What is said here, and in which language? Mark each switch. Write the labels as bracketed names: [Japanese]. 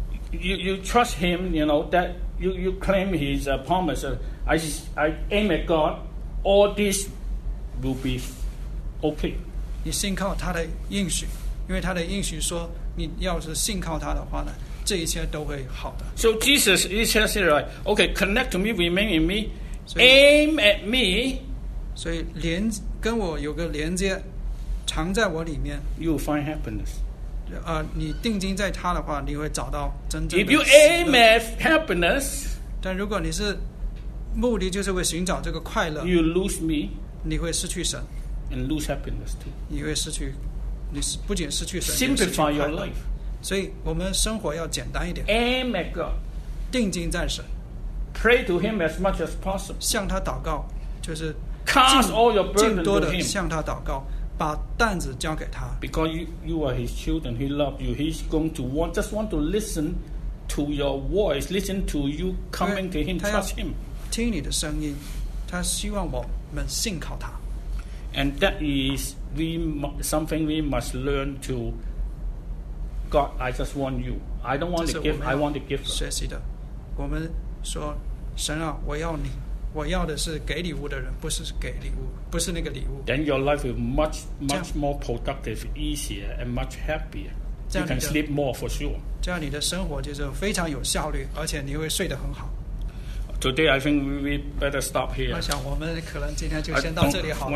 [English] You trust him, you know, that you claim his promise. I aim at God, all this will be okay. [Chinese] 你信靠他的应许，因为他的应许说，你要是信靠他的话呢，这一切都会好的。 [English] So Jesus is saying, right, okay, connect to me, remain in me, aim at me. [Chinese] 所以跟我有个连接，藏在我里面。 [English] You will find happiness. [Chinese] 你定睛在他的话，你会找到真正的。 [English] If you aim at happiness， [Chinese] 但如果你是目的就是为寻找这个快乐 [English] ，you lose me， [Chinese] 你会失去神 [English] ，and lose happiness too。 [Chinese] 你会失去，你不仅失去神 [English] ，simplify your life。 [Chinese] 所以我们生活要简单一点。 [English] Aim at God， [Chinese] 定睛在神 [English] ，pray to Him as much as possible， [Chinese] 向他祷告，就是 [English] cast all your burden to Him， [Chinese] 向他祷告。把担子交给他 [English] ，because you are his children, he loves you. He's going to want to listen to your voice, listen to you coming to him, trust him. [Chinese] 听你的声音，他希望我们信靠他。 [English] And that is something we must learn to God. I just want you. I don't want to give. I want to give. [Chinese] 学习的，我们说神啊，我要你。我要的是给礼物的人，不是给礼物，不是那个礼物。 [English] Then your life will much more productive, easier, and much happier. You can sleep more for sure. [Chinese] 这样你的生活就是非常有效率，而且你会睡得很好。 [English] Today I think we better stop here. [Chinese] 我想我们可能今天就先到这里好了。